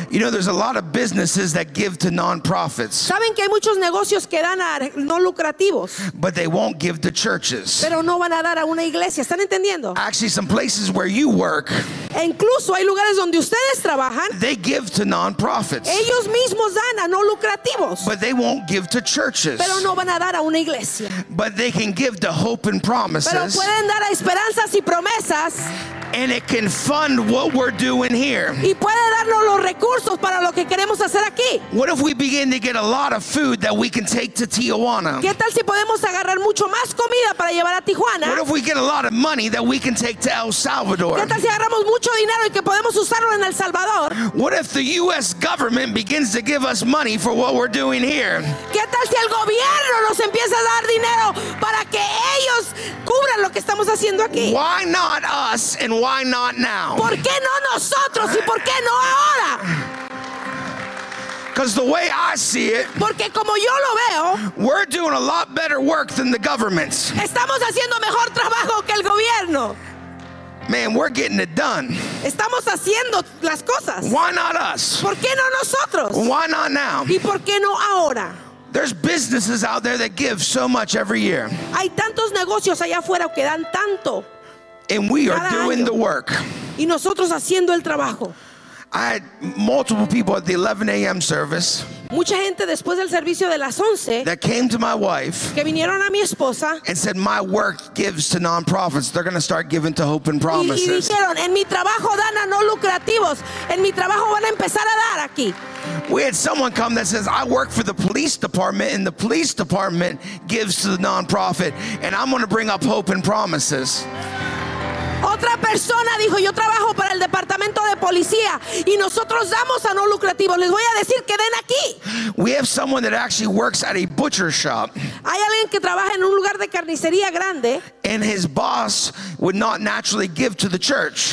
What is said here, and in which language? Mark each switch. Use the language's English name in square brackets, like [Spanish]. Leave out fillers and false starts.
[English] You know, there's a lot of businesses that give to non-profits. [Spanish] Saben que hay muchos negocios que dan a no lucrativos. [English] But they won't give to churches. [Spanish] Pero no van a dar a una iglesia. ¿Están entendiendo? [English] Actually, some places where you work. [Spanish] E incluso hay lugares donde ustedes trabajan. [English] They give to non-profits. [Spanish] Ellos mismos dan a no lucrativos. [English] But they won't give to churches. [Spanish] Pero no van a dar a una iglesia. [English] But they can give to Hope and Promises. [Spanish] Pero pueden dar a Esperanzas y Promesas. [English] And it can fund what we're doing here. [Spanish] Y puede darnos los recursos para lo que queremos hacer aquí. [English] What if we begin to get a lot of food that we can take to Tijuana? [Spanish] ¿Qué tal si podemos agarrar mucho más comida para llevar a Tijuana? [English] What if we get a lot of money that we can take to El Salvador? [Spanish] ¿Qué tal si agarramos mucho dinero y que podemos usarlo en El Salvador? [English] What if the U.S. government begins to give us money for what we're doing here? [Spanish] ¿Qué tal si el gobierno nos empieza a dar dinero para que ellos cubran lo que estamos haciendo aquí? [English] Why not us and why not now? [Spanish] ¿Por qué no nosotros y por qué no ahora? [English] Because the way I see it, [Spanish] porque como yo lo veo, [English] we're doing a lot better work than the governments. [Spanish] Estamos haciendo mejor trabajo que el gobierno. [English] Man, we're getting it done. [Spanish] Estamos haciendo las cosas. [English] Why not us? [Spanish] ¿Por qué no nosotros? [English] Why not now? [Spanish] ¿Y por qué no ahora? [English] There's businesses out there that give so much every year. [Spanish] Hay tantos negocios allá afuera que dan tanto. [English] And we are doing the work. [Spanish] Y nosotros haciendo el trabajo. [English] I had multiple people at the 11 a.m. service. [Spanish] Mucha gente después del servicio de las 11. [English] That came to my wife. [Spanish] Que vinieron a mi esposa. [English] And said, my work gives to nonprofits. They're going to start giving to Hope and Promises. [Spanish] Y dijeron, en mi trabajo dan a no lucrativos. En mi trabajo van a empezar a dar aquí. [English] We had someone come that says, I work for the police department, and the police department gives to the nonprofit, and I'm going to bring up Hope and Promises. [Spanish] Otra persona dijo, yo trabajo para el departamento de policía y nosotros damos a no lucrativos. Les voy a decir que den aquí. [English] We have someone that actually works at a butcher shop. [Spanish] Hay alguien que trabaja en un lugar de carnicería grande. [English] And his boss would not naturally give to the church.